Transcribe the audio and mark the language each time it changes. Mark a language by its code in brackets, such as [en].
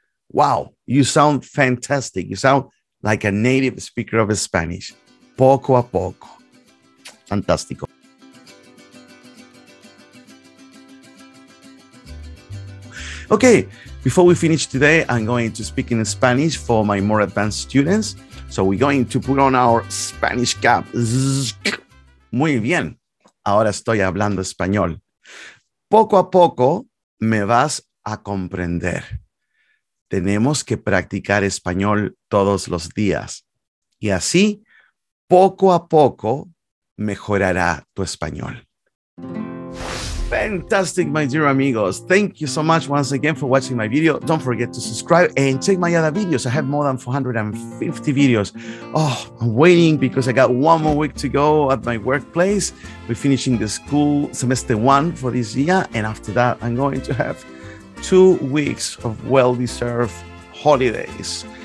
[en] Wow, you sound fantastic. You sound like a native speaker of Spanish. [es] Poco a poco. Fantástico. [en] Okay, before we finish today, I'm going to speak in Spanish for my more advanced students. So we're going to put on our Spanish cap. [es] Muy bien. Ahora estoy hablando español. Poco a poco me vas a comprender. Tenemos que practicar español todos los días. Y así, poco a poco, mejorará tu español. [en] Fantastic, my dear amigos. Thank you so much once again for watching my video. Don't forget to subscribe and check my other videos. I have more than 450 videos. Oh, I'm waiting because I got one more week to go at my workplace. We're finishing the school semester one for this year. And after that, I'm going to have 2 weeks of well-deserved holidays.